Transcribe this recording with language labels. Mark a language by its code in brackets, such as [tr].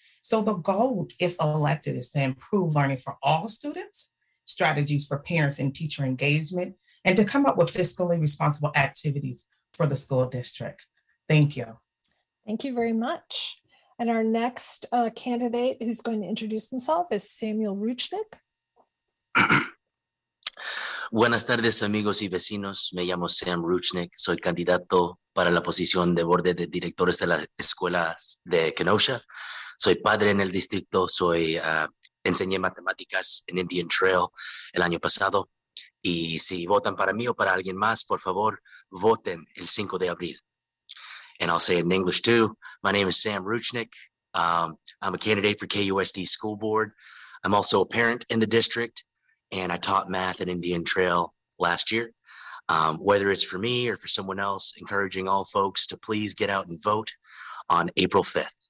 [en] So the goal, if elected, is to improve learning for all students, strategies for parents and teacher engagement, and to come up with fiscally responsible activities for the school district. Thank you. Thank you very much. And our next candidate who's going to introduce himself is Samuel Ruchnik. [es] Buenas tardes, amigos y vecinos. Me llamo Sam Ruchnik. Soy candidato para la posición de board de directores de las escuelas de Kenosha. Soy padre en el distrito. Soy enseñé matemáticas en Indian Trail el año pasado. Y si votan para mí o para alguien más, por favor, voten el 5 de abril. [en] And I'll say it in English too. My name is Sam Ruchnik. I'm a candidate for KUSD School Board. I'm also a parent in the district, and I taught math at Indian Trail last year. Whether it's for me or for someone else, encouraging all folks to please get out and vote on April 5th.